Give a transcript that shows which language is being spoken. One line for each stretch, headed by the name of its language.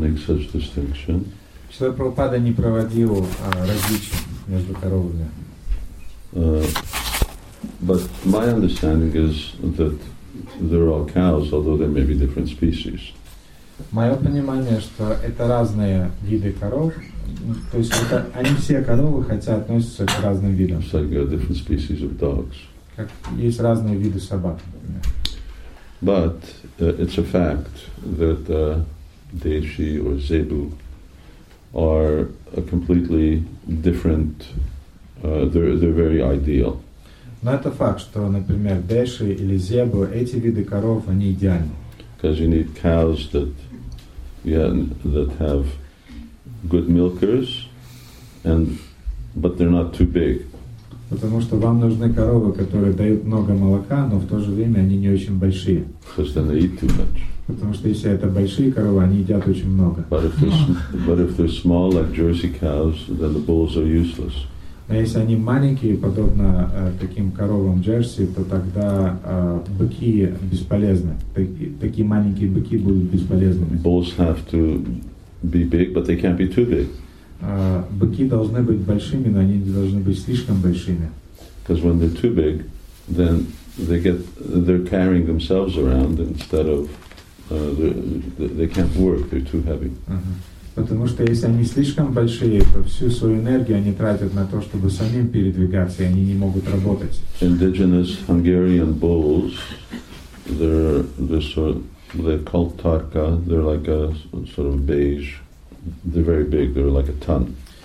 Russian: Что Прабхупада не проводил различий между коровами.
English: But my understanding is that there are cows, although they may be different species.
Russian: Мое понимание, что это разные виды коров, то есть это, они все коровы, хотя относятся к разным видам.
English: It's like different species of dogs.
Russian: Как есть разные виды собак.
English: But it's a fact that Deshi or Zebu are a completely different. They're very ideal.
Russian: Но это факт, что, например, Деши или Зебу, эти виды коров, они идеальны.
English: Because you need cows that, yeah, that have good milkers, and but they're not too big.
Russian: Потому что вам нужны коровы, которые дают много молока, но в то же время они не очень большие.
English: Because then they eat too much.
Russian: Потому что если это большие коровы, они едят очень много.
English: But if they're small, like Jersey cows, then the bulls are useless.
Russian: А если они маленькие, подобно таким коровам Джерси, то тогда быки бесполезны. Такие маленькие быки будут бесполезными.
English: Bulls have to be big, but they can't be too big.
Russian: Быки должны быть большими, но они не должны быть слишком большими.
English: Because when they're too big, then they're carrying themselves around instead of they can't work. They're too heavy.
Russian: Потому что если они слишком большие, то всю свою энергию они тратят на то, чтобы самим передвигаться, и они не могут работать.
English: Indigenous Hungarian bulls, they're called tarka. They're like a sort of beige. They're very big. They're like a ton.